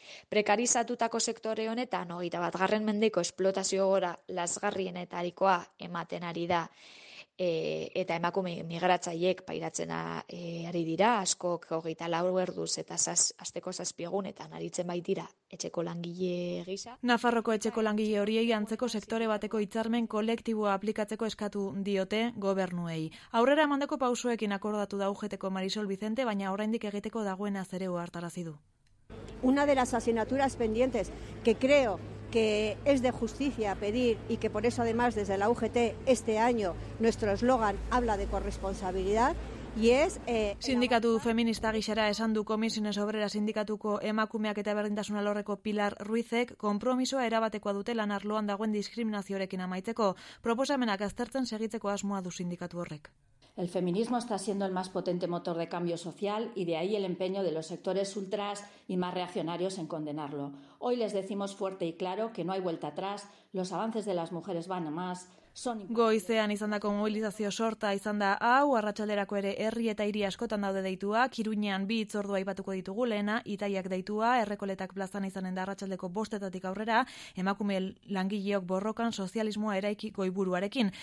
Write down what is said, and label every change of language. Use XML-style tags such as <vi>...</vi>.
<eu>Prekarizatutako sektore honetan 21. mendeko esplotazio gora lazgarrienetarikoa ematen ari da eta emakume migratzaileek pairatzen ari dira, askok 24 orduz eta asteko 7 egunetan aritzen baitira etxeko langile gisa. Nafarroko etxeko langile horiei antzeko sektore bateko hitzarmen kolektiboa aplikatzeko eskatu diote gobernuei. Aurrera emandako pausoekin akordatu da UGT-ko Marisol Vicente, baina oraindik egiteko dagoena zere ohartarazi du.</eu> <es>Una de las asignaturas pendientes que creo que es de justicia pedir y que por eso además desde la UGT este año nuestro eslogan habla de corresponsabilidad y es...</es> <eu>Sindikatu feminista gixera esan du Comisiones Obreras sindikatuko emakumeak eta berdintasun alorreko Pilar Ruizek konpromisoa erabatekoa dute lan arloan dagoen diskriminazioarekin amaitzeko, proposamenak aztertzen segitzeko asmoa du sindikatu horrek.</eu> <es>El feminismo está siendo el más potente motor de cambio social y de ahí el empeño de los sectores ultras y más reaccionarios en condenarlo. Hoy les decimos fuerte y claro que no hay vuelta atrás, los avances de las mujeres van a más.</es> <eu>Goizean izandako mobilizazio sorta izan da hau, arratsalderako ere herri eta hiri askotan daude deituak, Iruñean bi hitzordua aipatuko ditugu lehena, Itaiak deitua, Errekoletak plazan izanen da arratsaldeko 5etatik aurrera, emakume langileok borrokan sozialismoa eraikiko iburuarekin.</eu>